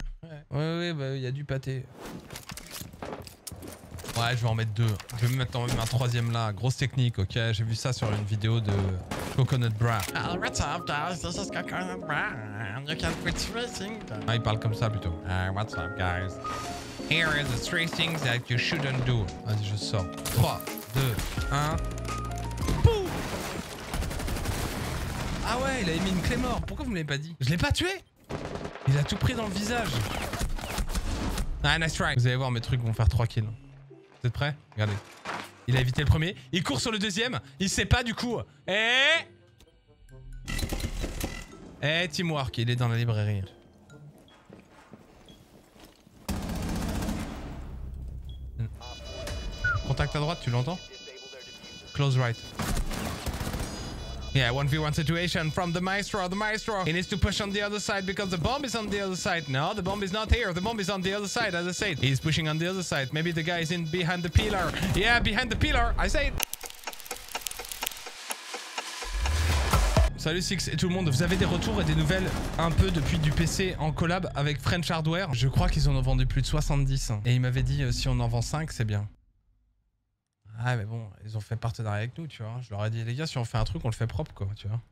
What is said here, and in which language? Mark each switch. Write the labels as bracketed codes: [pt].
[fr] Ouais, ouais, bah, y a du pâté. Ouais, je vais en mettre deux. Je vais me mettre en même un troisième là. Grosse technique, ok. J'ai vu ça sur une vidéo de Coconut Bra. [en] What's up, guys? This is Coconut Bra. You can quit tracing. [fr] Ah, il parle comme ça plutôt. [en] What's up, guys? Here is the three things that you shouldn't do. [fr] Vas-y, je sors. 3, 2, 1. Boum! Ah ouais, il a émis une clé mort. Pourquoi vous me l'avez pas dit? Je l'ai pas tué! Il a tout pris dans le visage. [en] Ah, nice try. [fr] Vous allez voir, mes trucs vont faire 3 kills. Vous êtes prêts? Regardez. Il a évité le premier. Il court sur le deuxième. Il sait pas du coup. Et... Eh, Teamwork, il est dans la librairie. Contact à droite, tu l'entends? [en] Close right. Yeah, 1v1 situation from the maestro. The maestro. He needs to push on the other side because the bomb is on the other side. No, the bomb is not here. The bomb is on the other side, as I said. He's pushing on the other side. Maybe the guy is in behind the pillar. Yeah, behind the pillar, I say. [fr] Salut Six et tout le monde, vous avez des retours et des nouvelles un peu depuis du PC en collab avec French Hardware. Je crois qu'ils en ont vendu plus de 70. Et il m'avait dit si on en vend 5, c'est bien. Ah mais bon, ils ont fait partenariat avec nous, tu vois. Je leur ai dit, les gars, si on fait un truc, on le fait propre, quoi, tu vois.